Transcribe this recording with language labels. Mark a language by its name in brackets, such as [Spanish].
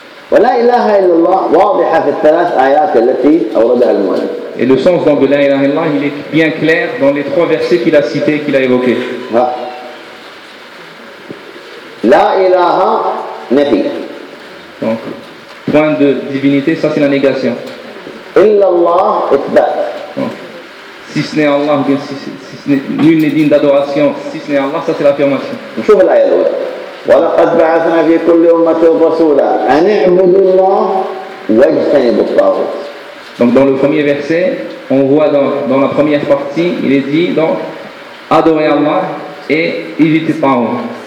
[Arabic] ولا إله إلا الله واضحة في الثلاث آيات التي أوردها المؤلف. [French] Et le sens donc de la ilaha illallah, il est bien clair dans les trois versets qu'il a cités, qu'il a évoqués. [Arabic] La ilaha nafi. [French] Donc, point de divinité, ça c'est la négation. [Arabic] Illallah itbat. [French] Si ce n'est Allah, bien si ce n'est nul n'est digne d'adoration, si ce n'est Allah, ça c'est l'affirmation. [Arabic] شوف الآية الأولى. ولقد بعثنا في كل أمة رسولا أن اعبدوا الله واجتنبوا الطاغوت. [French] Donc dans le premier verset, on voit dans la première partie, il est dit donc adorez Allah et évitez le tarout.